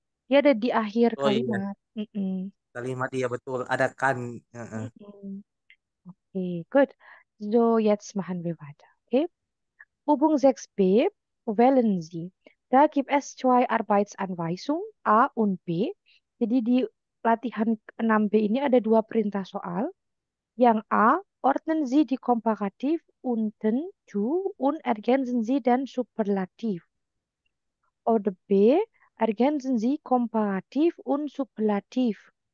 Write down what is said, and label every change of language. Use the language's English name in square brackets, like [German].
[Indonesian] Ya, ada di akhir Oh iya. kalimat. Kalimat dia betul, ada kan. [English] Okay, good. [German] So, jetzt machen wir weiter. Okay. Übung 6b. Wählen Sie. Da gibt es zwei Arbeitsanweisungen, A und B. [Indonesian] Jadi di latihan 6b ini ada dua perintah soal. Yang A, [German] ordnen Sie die Komparativ unten zu und ergänzen Sie den Superlativ. Oder B, ergänzen Sie Komparativ und Superlativ.